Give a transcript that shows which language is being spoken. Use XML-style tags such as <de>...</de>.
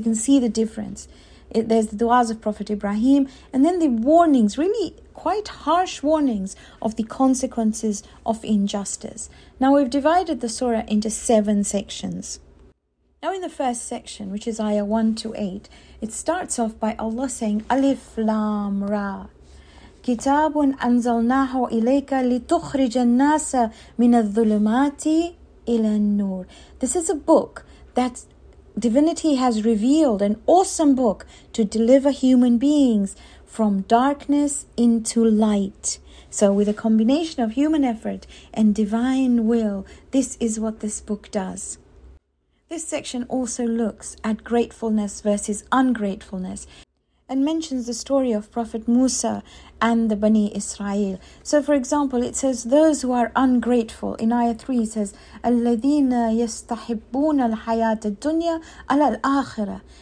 <en>You can see the difference. There's the du'as of Prophet Ibrahim, and then the warnings, really quite harsh warnings of the consequences of injustice. Now we've divided the surah into seven sections. Now in the first section, which is ayah 1 to 8, it starts off by Allah saying, Alif Lam Ra.</en> <ar>كتاب أنزلناه إليك لتخرج الناس من الظلمات إلى النور.</ar> <en>This is a book that divinity has revealed, an awesome book to deliver human beings from darkness into light. So with a combination of human effort and divine will, this is what this book does. This section also looks at gratefulness versus ungratefulness, and mentions the story of Prophet Musa and the Bani Israel. So for example, it says those who are ungrateful.</en> <ar>In ayah 3 it says, الَّذِينَ يَسْتَحِبُّونَ الْحَيَاةَ الدُّنْيَا عَلَى الْآخِرَةِ.</ar>